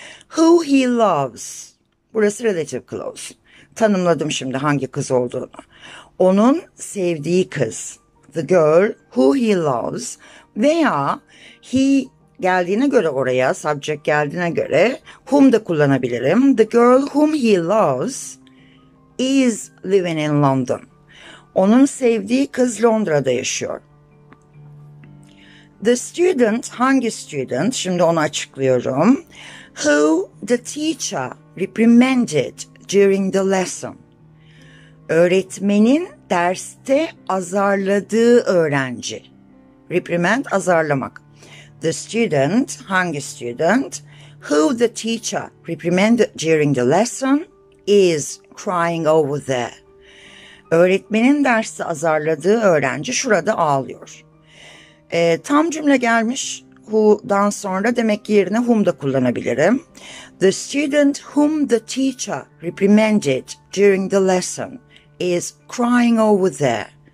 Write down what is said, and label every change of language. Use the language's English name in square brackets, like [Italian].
[English] Who he loves. Burası relative clause. [Turkish] Tanımladım şimdi hangi kız olduğunu. Onun sevdiği kız. [English] The girl who he loves. [Turkish] Veya he geldiğine göre oraya, subject geldiğine göre whom da kullanabilirim. [English] The girl whom he loves is living in London. [Turkish] Onun sevdiği kız Londra'da yaşıyor. [English] The student, [Turkish] hangi student? Şimdi onu açıklıyorum. [English] Who the teacher reprimanded during the lesson. [Turkish] Öğretmenin derste azarladığı öğrenci. Reprimand, azarlamak. [English] The student, hangi student, who the teacher reprimanded during the lesson is crying over there. [Turkish] Öğretmenin dersi azarladığı öğrenci şurada ağlıyor. Tam cümle gelmiş who'dan sonra demek ki yerine whom da kullanabilirim. [English] The student whom the teacher reprimanded during the lesson is crying over there.